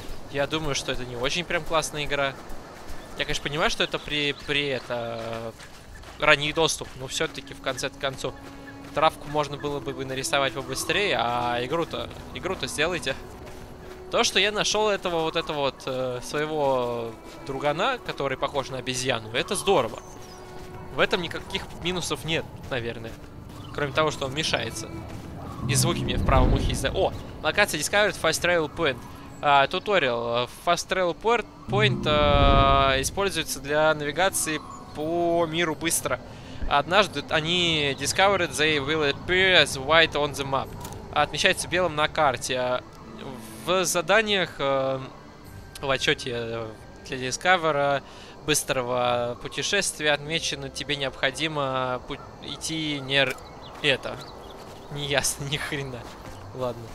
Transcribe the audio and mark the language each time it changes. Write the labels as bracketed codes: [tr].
[ru] Я думаю, что это не очень прям классная игра. Я, конечно, понимаю, что это при это ранний доступ, но все-таки в конце концов травку можно было бы нарисовать побыстрее, а игру-то сделайте. То, что я нашел этого вот этого вот своего другана, который похож на обезьяну, это здорово. В этом никаких минусов нет, наверное. Кроме того, что он мешается. И звуки мне в правом ухе из-за... О! Локация Discovered Fast Travel Point. Туториал. Fast Travel Point используется для навигации по миру быстро. Однажды они [en] discovered they will appear as white on the map. [ru] Отмечается белым на карте. В заданиях, в отчете для Discover быстрого путешествия отмечено, тебе необходимо идти не... Это. Не ясно, ни хрена. Ладно.